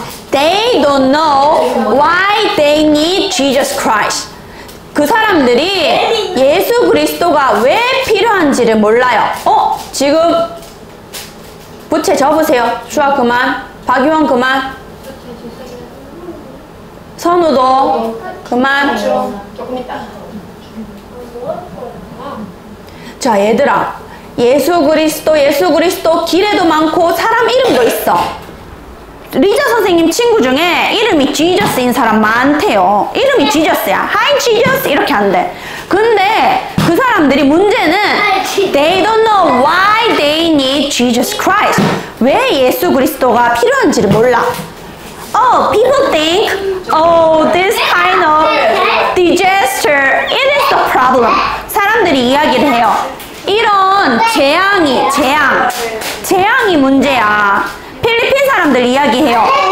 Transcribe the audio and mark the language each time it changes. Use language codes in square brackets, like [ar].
[en] They don't know why they need Jesus Christ. [ko] 그 사람들이 예수 그리스도가 왜 필요한지를 몰라요. 지금 부채 접으세요. 주아 그만. 박유원 그만. 선우도 그만. 자, 얘들아, 예수 그리스도 기례도 많고 사람 이름도 있어. 리자 선생님 친구 중에 이름이 지저스인 사람 많대요. 이름이 지저스야. [en] Hi, Jesus! [ko] 이렇게 한대. 근데 그 사람들이 문제는 [en] They don't know why they need Jesus Christ. [ko] 왜 예수 그리스도가 필요한지를 몰라. [en] Oh, people think, oh, this kind of disaster, it is the problem. [ko] 사람들이 이야기를 해요. 이런 재앙이 문제야. 필리핀 사람들 이야기해요.